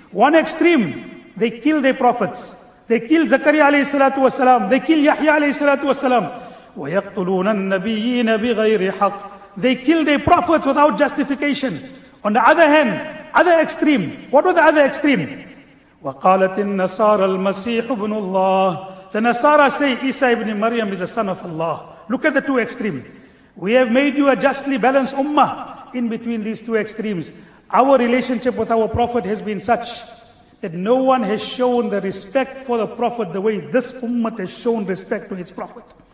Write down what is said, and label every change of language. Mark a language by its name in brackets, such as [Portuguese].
[English] One extreme, they kill their prophets. They kill Zakariya alayhi salatu wasalam. They kill Yahya alayhi salatu wasalam. [Arabic] وَيَقْتُلُونَ النَّبِيِّينَ بِغَيْرِ حَقٍ. [English] They kill their prophets without justification. On the other hand, other extreme. What was the other extreme? [Arabic] وقالت النصارى المسيح ابن الله. [English] The Nasara say Isa ibn Maryam is the son of Allah. Look at the two extremes. We have made you a justly balanced ummah. In between these two extremes, our relationship with our Prophet has been such that no one has shown the respect for the Prophet the way this ummah has shown respect to its Prophet.